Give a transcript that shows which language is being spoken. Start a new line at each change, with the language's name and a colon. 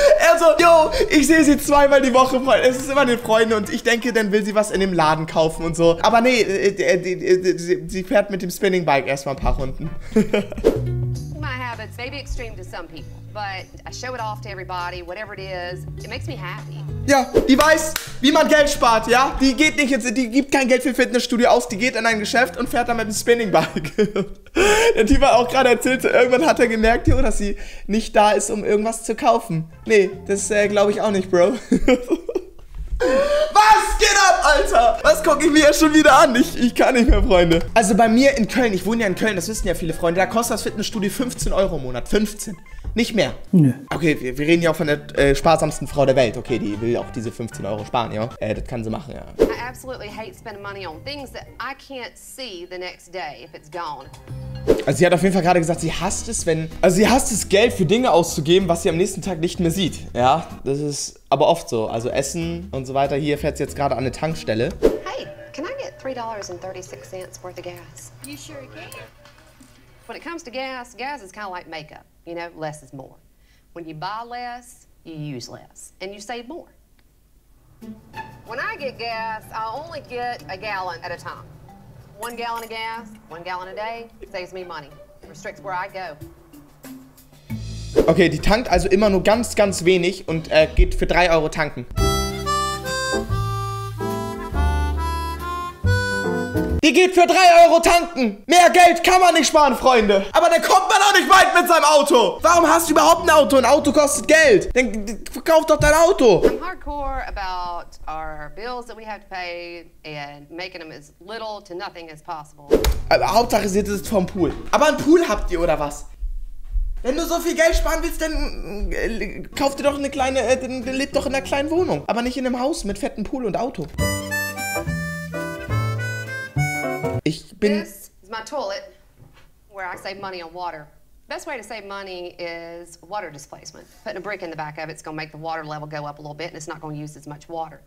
German: Also, yo, ich sehe sie 2x die Woche, Freunde. Es ist immer den Freunden und ich denke, dann will sie was in dem Laden kaufen und so. Aber nee, sie fährt mit dem Spinning Bike erstmal ein paar Runden.
English: My habits may be extreme to some people, but I show it off to everybody, whatever it is. It makes me happy.
German: Ja, die weiß, wie man Geld spart, ja? Die geht nicht jetzt, die gibt kein Geld für Fitnessstudio aus, die geht in ein Geschäft und fährt dann mit dem Spinningbike. Der Typ hat auch gerade erzählt, irgendwann hat er gemerkt, jo, dass sie nicht da ist, um irgendwas zu kaufen. Nee, das glaube ich auch nicht, Bro. Was geht ab, Alter? Was gucke ich mir ja schon wieder an? Ich kann nicht mehr, Freunde. Also bei mir in Köln, ich wohne ja in Köln, das wissen ja viele Freunde, da kostet das Fitnessstudio 15 Euro im Monat. 15. Nicht mehr. Nö. Okay, wir reden ja auch von der sparsamsten Frau der Welt. Okay, die will auch diese 15 Euro sparen, ja? Das kann sie machen, ja.
English: I absolutely hate spending money on things that I can't see the next day if it's gone.
German: Also sie hat auf jeden Fall gerade gesagt, sie hasst es, Geld für Dinge auszugeben, was sie am nächsten Tag nicht mehr sieht. Ja, das ist aber oft so. Also Essen und so weiter. Hier fährt sie jetzt gerade an eine Tankstelle.
English: Hey, can I get $3.36 worth of gas? You sure can. When it comes to gas, gas is kind of like makeup. You know, less is more. When you buy less, you use less. And you save more. When I get gas, I only get a gallon at a time. 1 gallon of gas, 1 gallon a day, saves me money. Restricts where I go.
German: Okay, die tankt also immer nur ganz, ganz wenig und geht für 3 Euro tanken. Die geht für 3 Euro tanken. Mehr Geld kann man nicht sparen, Freunde. Aber dann kommt man auch nicht weit mit seinem Auto. Warum hast du überhaupt ein Auto? Ein Auto kostet Geld. Dann verkauf doch dein Auto.
English: I'm hardcore about our bills that we have to pay and making them as little to nothing as possible.
German: Aber Hauptsache, sie ist vom Pool. Aber ein Pool habt ihr, oder was? Wenn du so viel Geld sparen willst, dann kauf dir doch eine kleine, dann lebt doch in einer kleinen Wohnung. Aber nicht in einem Haus mit fettem Pool und Auto. Ich bin.
English: This is my toilet, where I save money on water. Best way to save money is water displacement. Putting a brick in the back of it's gonna make the water level go up a little bit, and it's not gonna use as much water.